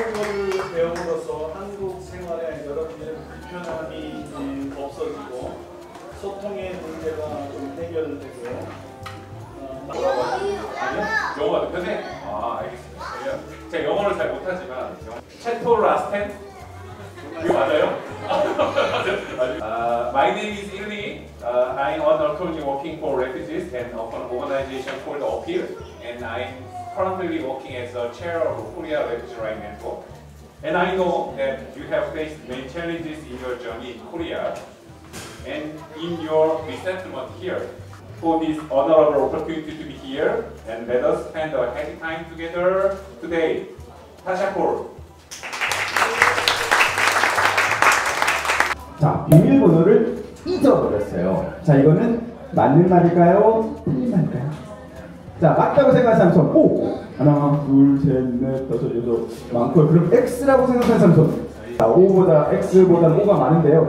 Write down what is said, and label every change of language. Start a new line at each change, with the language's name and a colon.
Korean: 한국어를 배움으로써 한국 생활에 여러분들의 불편함이 없어지고 소통의 문제가 좀 해결되고요. 영어가 편해? 아, 알겠습니다. 제가 영어를 잘 못하지만 체토 라스텐? 이거 맞아요?
English: My name is Ili. I'm an attorney working for refugees and of an organization called Appeal. And I'm currently working as a chair of Korea Refugee Right Network. And I know that you have faced many challenges in your journey in Korea and in your resentment here. For this honorable opportunity to be here, and let us spend a happy time together today. 타샤콜.
Korean: 자, 비밀번호를 잊어버렸어요. 자, 이거는 맞는 말일까요? 틀린 말일까요? 자, 맞다고 생각하시면 손. 오! 하나, 둘, 셋, 넷, 다섯, 여섯, 많고요. 그럼 X라고 생각하시면 손. 자, O보다 X보다는 O가 많은데요.